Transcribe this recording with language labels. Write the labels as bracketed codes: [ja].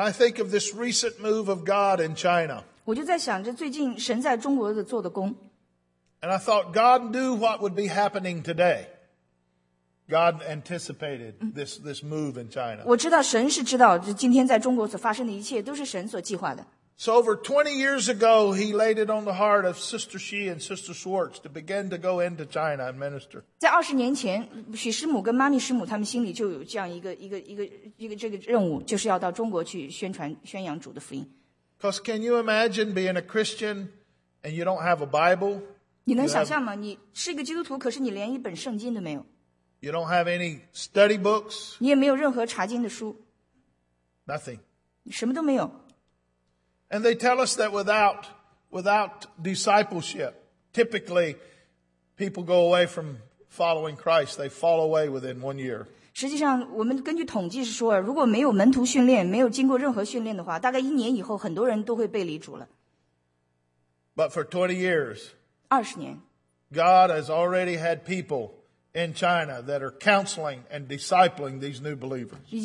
[en] I think of this recent move of God in China. [zh] 我就在想着最近神在中国做的工。 [en] And I thought God knew what would be happening today. God anticipated this move in China. [zh] 我知道神是知道今天在中国所发生的一切都是神所计划的。 [en] So over 20 years ago, he laid it on the heart of Sister Xi and Sister Schwartz to begin to go into China and minister. [zh] 在20年前,许师母跟妈咪师母他们心里就有这样一个任务,就是要到中国去宣传宣扬主的福音。 [en] Because can you imagine being a Christian and you don't have a Bible? [zh] 你能想象吗? 你是一个基督徒,可是你连一本圣经都没有。 [en] You don't have any study books. [zh] 你也没有任何查经的书。 [en] Nothing. [zh] 你什么都没有。 [en] And they tell us that without discipleship, typically people go away from following Christ. They fall away within 1 year. [zh] 实际上，我们根据统计是说， 如果没有门徒训练， 没有经过任何训练的话， 大概1年以后， 很多人都会被离主了。 [en] But for 20 years, [zh] 20年， [en] God has already had people in China that are counseling and discipling these new believers.